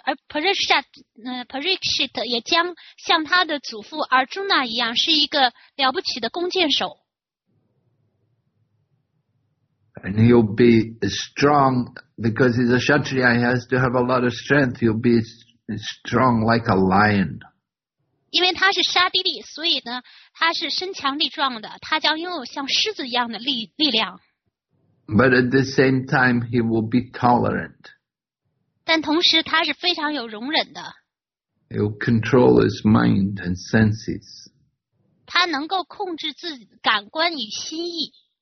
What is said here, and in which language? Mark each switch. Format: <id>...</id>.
<zh>Parikshit 也将像他的祖父 Arjuna 一样是一个了不起的弓箭手。</zh> <en>And he'll be strong because he's a Kshatriya. He has to have a lot of strength. He'll be strong like a lion.</en> <zh>因为他是沙地利，所以呢，他是身强力壮的，他将拥有像狮子一样的力量。</zh> <en>But at the same time, he will be tolerant.</en> <zh>但同时，他是非常有容忍的。</zh> <en>He'll control his mind and senses.</en> <zh>他能够控制自己的感官与心意。</zh>